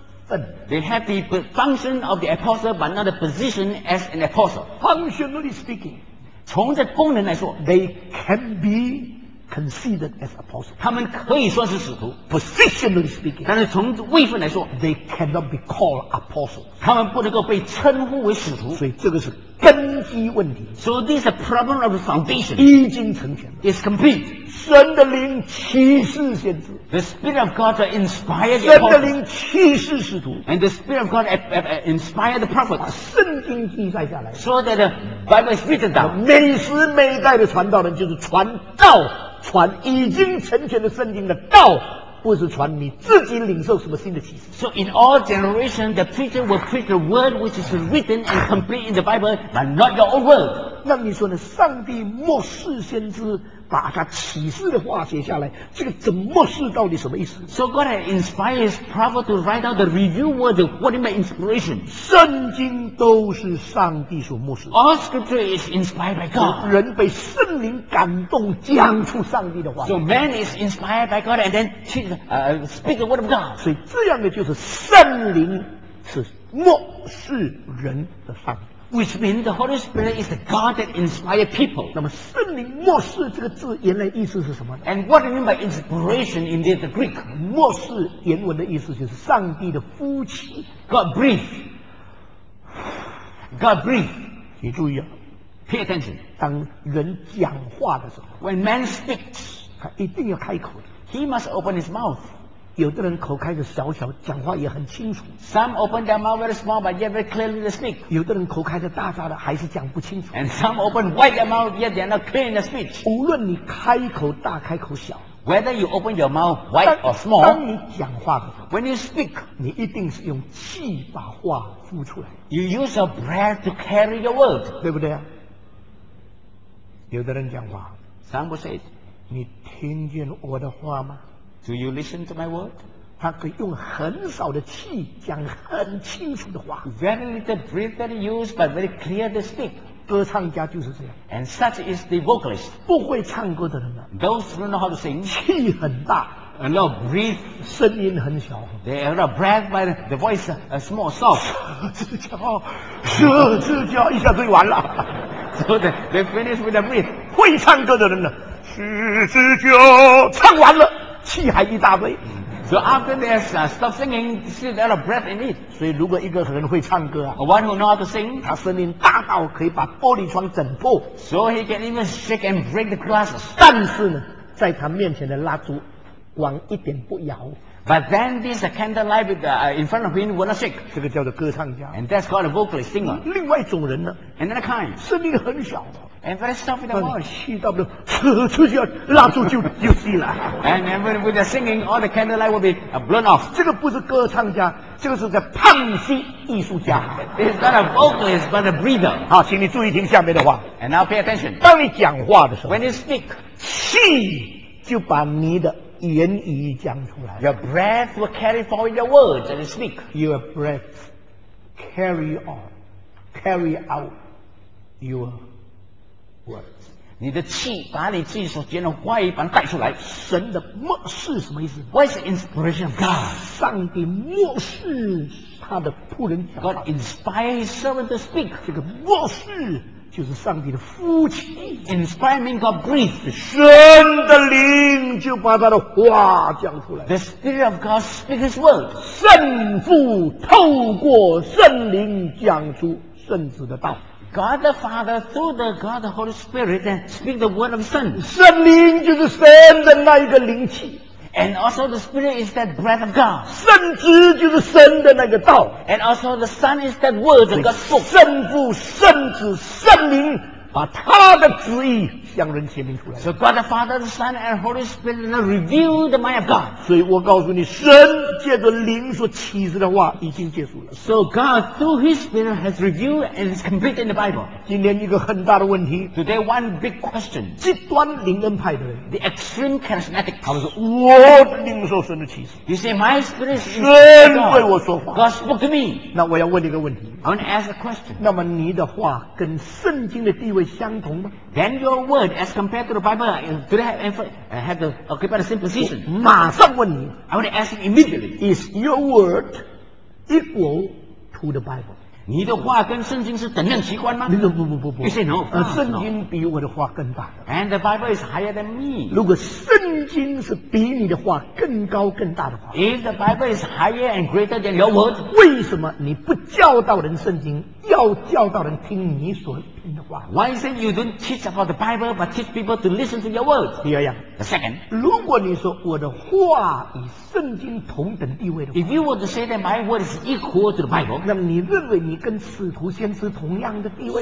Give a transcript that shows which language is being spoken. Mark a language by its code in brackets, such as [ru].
[en] They have the function of the apostle, but not the position as an apostle. Functionally speaking, [zh] 从这功能来说 [en] they can be considered as apostles. [zh] 他们可以说是使徒 [en] ，positionally speaking. [zh] 但是从位分来说 [en] ，they cannot be called apostles. [zh] 他们不能够被称呼为使徒。所以这个是根基问题。 [en] So this is a problem of foundation. [zh] 已经成全了。 [en] It's complete. [zh] 神的灵启示先知。 [en] The spirit of God inspired. [zh] 神的灵启示使徒。 [en] And the spirit of God inspired the prophet. [zh] 把圣经记载下来。 [en] So that the Bible is written down. [zh] 每时每代的传道人就是传道。传已经成全的圣经的道，不是传你自己领受什么新的启示。 [en] So in all generation, the preacher will preach the word which is written and complete in the Bible, but not your own word. [zh] 那你说呢？上帝末世先知把他启示的话写下来，这个怎么是到底什么意思 [en] ？So God has inspired his prophet to write out the review word. What is my inspiration? [zh] 圣经都是上帝所默示。 [en] All scripture is inspired by God. [zh] 人被圣灵感动，讲出上帝的话。 [en] So man is inspired by God and then speak the word of God. [zh] 所以这样的就是圣灵是默示人的上帝。 [en] Which means the Holy Spirit is the God that inspired people. [zh] 那么圣灵默示这个字原来意思是什么呢 [en] ？And what do you mean by inspiration in the Greek? [zh] 默示原文的意思就是上帝的呼气。 [en] God breathe. God breathe. [zh] 你注意啊 [en] ，Pay attention. [zh] 当人讲话的时候 [en] ，When man speaks， [zh] 他一定要开口的。 [en] He must open his mouth. [zh] 有的人口开的小小，讲话也很清楚。 [en] Some open their mouth very small, but yet very clearly to speak. [zh] 有的人口开的大大的，还是讲不清楚。 [en] And some open wide their mouth, yet they are not clear in the speech. [zh] 无论你开口大开口小 [en] ，Whether you open your mouth wide or small, [zh] 当你讲话的时候 [en] ，When you speak, [zh] 你一定是用气把话呼出来。 [en] You use your breath to carry your word, [zh] 对不对啊？有的人讲话 [en] ，Some will say, [zh] 你听见我的话吗？ [en] Do you listen to my word? [zh] 他可以用很少的气讲很清楚的话。 [en] Very little breath that he used, but very clear to speak. [zh] 歌唱家就是这样。 [en] And such is the vocalist. [zh] 不会唱歌的人呢 [en] ？Those who don't know how to sing. [zh] 气很大 [en] ，a lot of breath. [zh] 声音很小。 [en] They have a lot of breath, but the voice a small soft. [zh] 十字架，一下子就完了。 [en] So they finish with a breath. [zh] 会唱歌的人呢？十字架，唱完了。气还一大堆 [en] ，so after this stop singing, still a lot of breath in it. [zh] 所以如果一个人会唱歌 [en] ，one who know how to sing, [zh] 他声音大到可以把玻璃窗整破 [en] ，so he can even shake and break the glasses. [zh] 但是呢，在他面前的蜡烛光一点不摇 [en] ，but then this candlelight with in front of him will not shake. [zh] 这个叫做歌唱家 [en] ，and that's called a vocalist singer. [zh] 另外一种人呢 [en] ，another kind, [zh] 声音很小。 [en] And very soft in the voice. [zh] 气大不了，出去拉出去就熄了。 [en] And then with the singing, all the candlelight will be blown off. [zh] 这个不是歌唱家，这个是在胖西艺术家。 [en] It's not a vocalist, but a breather. [zh] 好，请你注意听下面的话。 [en] And now pay attention. [zh] 当你讲话的时候 [en] ，When you speak, [zh] 气就把你的言语讲出来。 [en] Your breath will carry forward your words and speak. Your breath carry on, carry out your. words. [zh] 你的气把你自己所讲的话语把它带出来。神的默示什么意思 [en] ？What is the inspiration of God? [zh] 上帝默示他的仆人讲话。 [en] God inspired his servant to speak. [zh] 这个默示就是上帝的呼气。 [en] Inspire means God breathed. [zh] 神的灵就把他的话讲出来。 [en] The Spirit of God speaks his word. [zh] 圣父透过圣灵讲出圣子的道。 [en] God the Father through the God the Holy Spirit and speak the word of Son. [zh] 圣灵就是神的那一个灵气。 [en] And also the Spirit is that breath of God. [zh] 圣子就是神的那个道。 [en] And also the Son is that word that God spoke. [zh] 圣父、圣子、圣灵把他的旨意向人显明出来。 [en] So God the Father, the Son and Holy Spirit now reveal the mind of God. [zh] 所以我告诉你，神借着灵所启示的话已经结束了。 [en] So God through His Spirit has revealed and is complete in the Bible. [zh] 今天一个很大的问题。 [en] Today one big question. [zh] 极端灵恩派的人 [en] ，the extreme charismatic. [zh] 他们说我的灵受神的启示。 [en] You say my spirit is [zh] 神为我说话。 [en] God spoke to me. [zh] 那我要问一个问题。 [en] I want to ask a question. [zh] 那么你的话跟圣经的地位相同吗 [en] ？Then your word as compared to the Bible, do they have to occupy the same position? [zh] 马上问你。 [en] I want to ask you immediately. Is your word equal to the Bible? [zh] 你的话跟圣经是等量齐观吗？不不不不不。 [en] You say no. [zh] 圣经比我的话更大。 [en] And the Bible is higher than me. [zh] 如果圣经是比你的话更高更大的话。 [en] If the Bible is higher and greater than your words. [zh] 为什么你不教导人圣经，要教导人听你所听的话？ [en] Why is it you don't teach about the Bible but teach people to listen to your words? [zh] 第二样。 [en] The second. [zh] 如果你说我的话与圣经同等地位的话。 [en] If you were to say that my word is equal to the Bible. [zh] 那么你认为你跟使徒先知同样的地位？